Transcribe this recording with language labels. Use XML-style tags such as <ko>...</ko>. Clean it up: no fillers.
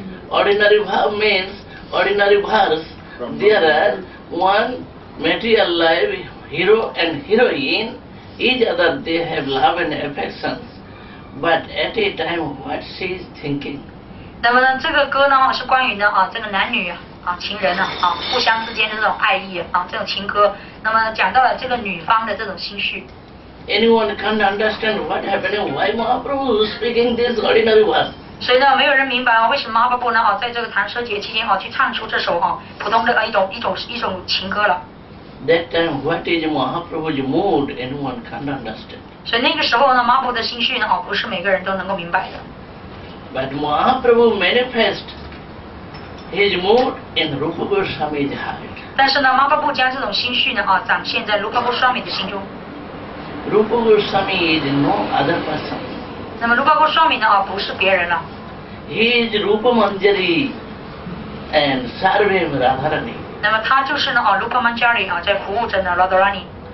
<en>Ordinary verse means ordinary verse there are one material lifeHero and heroine, each other they have love and affection, but at a time what she is thinking.</en> <zh>那么呢这个歌呢是关于呢、这个男女、情人、互相之间的这种爱意、这种情歌，那么讲到了这个女方的这种心绪。</zh> <en>Anyone can't understand what happened, why Mahaprabhu is speaking this ordinary words?</en> <zh>所以呢没有人明白、为什么 Mahaprabhu 呢、在这个弹奢节期间、去唱出这首、普通的、一种情歌了。</zh> <en>That time, what is Mahaprabhu's mood? Anyone can't understand.</en> <zh>所以那个时候呢，马普的心绪呢，不是每个人都能够明白的。</zh> <en>But Mahaprabhu manifest his mood in Rupa Goswami's heart.</en> <zh>但是呢，马普不将这种心绪呢，展现在卢卡布双米的心中。</zh> <en>Rupa Goswami is no other person.</en> <zh>那么卢卡布双米呢，不是别人了。</zh> <en>He is Rupa Manjari and Sarvam Radharani.</en> <zh>那么他就是呢，卢卡曼加里啊，在服务着呢，拉达拉尼。</zh>